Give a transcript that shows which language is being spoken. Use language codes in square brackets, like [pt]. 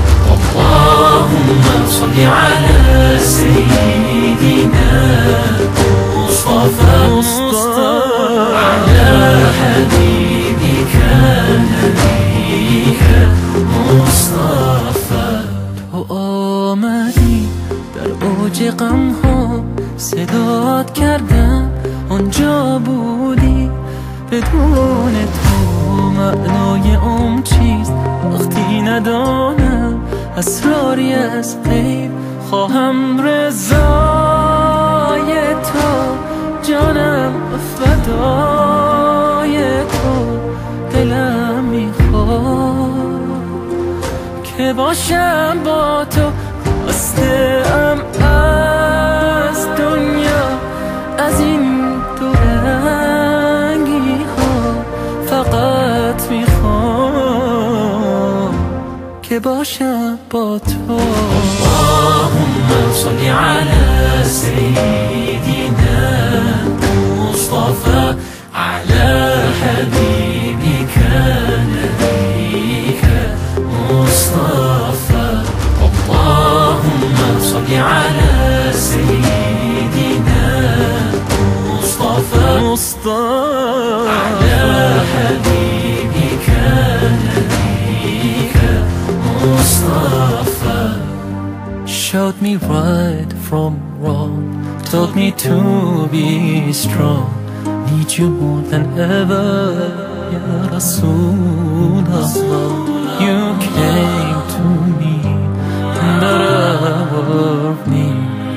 [ar] اللهم صل على سيدنا مصطفى على حبيبك نبيك مصطفى. [fa] آمدی در اوج غم ها، صدات کردم آنجا بودی. بدون تو معنای عم چیست؟ وقتی ندانم اسراری از غیب. خواهم رضای تو جانم فدای تو، دلم میخواد که باشم با تو. خسته‌ام از دنیا، از این دورنگی ها، فقط میخوام که باشم با تو. [ar] اللهم صل على سيدنا مصطفى على حبيبك نبيك مصطفى. صل على سيدنا مصطفى على حبيبك نبيك مصطفى. [en] Showed me right from wrong, taught me to be strong. Need you more than ever, Ya Rasul Allah. You came to me in the hour of need.